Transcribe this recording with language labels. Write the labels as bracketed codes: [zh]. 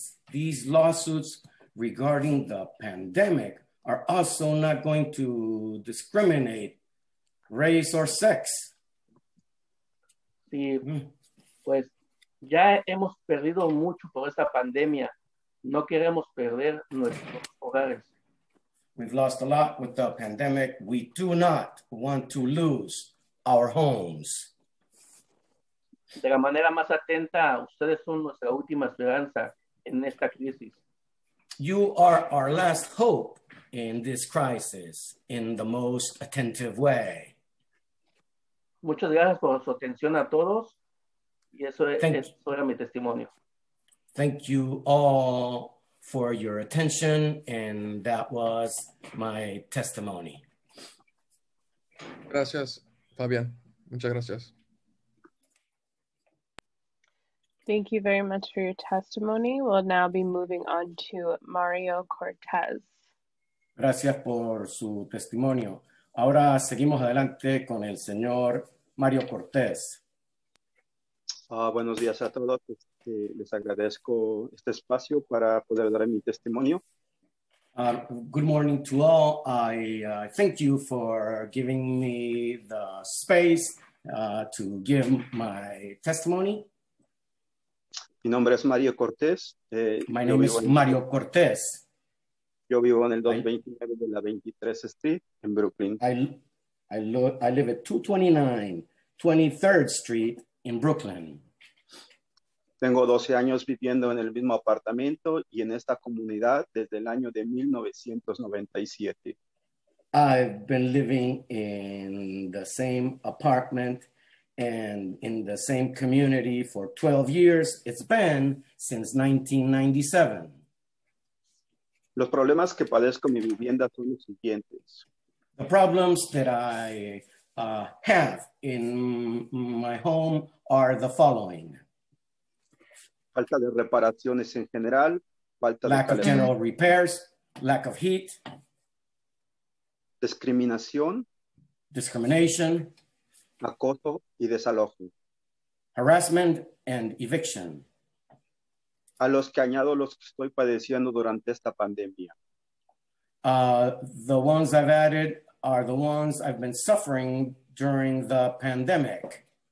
[en] These lawsuits regarding the pandemic are also not going to discriminate race or sex. [es] Sí, pues ya hemos perdido mucho por esta pandemia. No queremos perder nuestros hogares. [en] We've lost a lot with the pandemic. We do not want to lose our homes. [es] De la manera más atenta, ustedes son nuestra última esperanza en esta crisis. [en] You are our last hope in this crisis in the most attentive way. [es] Muchas gracias por su atención a todos. Y eso era mi testimonio. [en] Thank you all for your attention, and that was my testimony. [es] Gracias, Fabian. Muchas gracias. [en] Thank you very much for your testimony. We'll now be moving on to Mario Cortez. [es] Gracias por su testimonio. Ahora seguimos adelante con el señor Mario Cortez. Buenos días a todos. Les agradezco este espacio para poder dar mi testimonio. [en] Good morning to all. I thank you for giving me the space to give my testimony. [es] Mi nombre es Mario Cortés. [en] My name is Mario Cortés. [es] Yo vivo en el 229 de la 23 Street en Brooklyn. [en] I live at 229 23rd Street in Brooklyn. [es] Tengo 12 años viviendo en el mismo apartamento y en esta comunidad desde el año de 1997. [en] I've been living in the same apartment and in the same community for 12 years. It's been since 1997. [es] Los problemas que padezco en mi vivienda son los siguientes. [en] The problems that I have in my home are the following. [es] Falta de reparaciones en general. Falta [en] lack [es] de [en] of general repairs. Lack of heat. [es] Discriminación. [en] Discrimination. [es] Acoso y desalojo. [en] Harassment and eviction. [es] A los que añado los que estoy padeciendo durante esta pandemia. [en] The ones I've added are the ones I've been suffering during the pandemic.